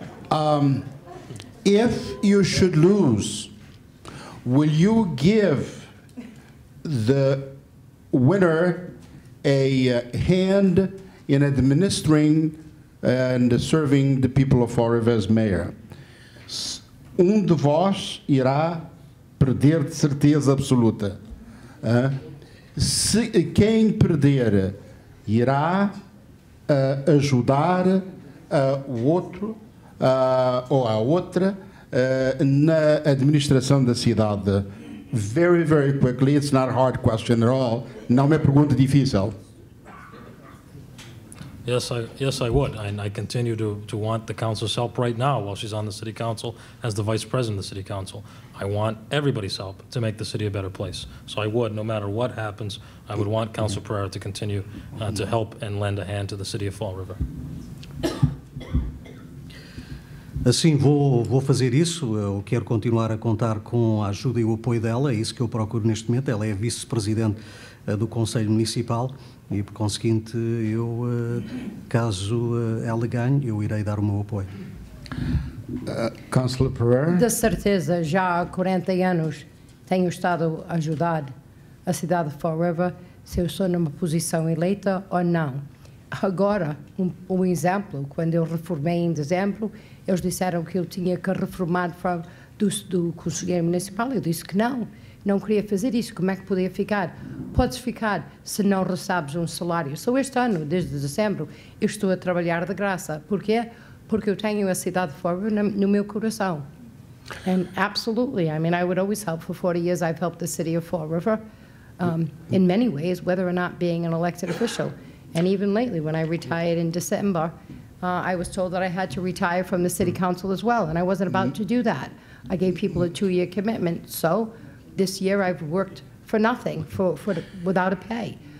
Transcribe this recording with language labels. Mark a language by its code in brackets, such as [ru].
[en] Now, if you should lose, will you give the winner a hand in administering and serving the people of Fall River as mayor? [pt] Um de vós irá perder de certeza absoluta. Se quem perder irá ajudar o outro ou a outra na administração da cidade. [en] Very, very quickly, it's not a hard question at all. [pt] Não é pergunta difícil. [en] Yes, I would. And I continue to want the council's help right now while she's on the city council as the vice president of the city council. I want everybody's help to make the city a better place. So I would, no matter what happens, I would want Council Pereira to continue to help and lend a hand to the city of Fall River. [pt] Assim, vou fazer isso. Eu quero continuar a contar com a ajuda e o apoio dela. É isso que eu procuro neste momento. Ela é vice-presidente do Conselho Municipal. E, por conseguinte, eu, caso ela ganhe, eu irei dar o meu apoio. [en] Councilor Pereira? [pt] De certeza, já há 40 anos tenho estado a ajudar a cidade de Fall River, se eu sou numa posição eleita ou não. Agora, um exemplo, quando eu reformei em dezembro, eles disseram que eu tinha que reformar do conselheiro municipal. Eu disse que não. Não queria fazer isso. Como é que podia ficar? Podes ficar se não recebes um salário. Só este ano, desde dezembro, eu estou a trabalhar de graça. Porquê? Porque eu tenho a cidade de Fall River no meu coração. [en] And absolutely. I mean, I would always help. For 40 years, I've helped the city of Fall River in many ways, whether or not being an elected official. And even lately, when I retired in December, I was told that I had to retire from the city council as well, and I wasn't about to do that. I gave people a two-year commitment, so this year I've worked for nothing, without a pay.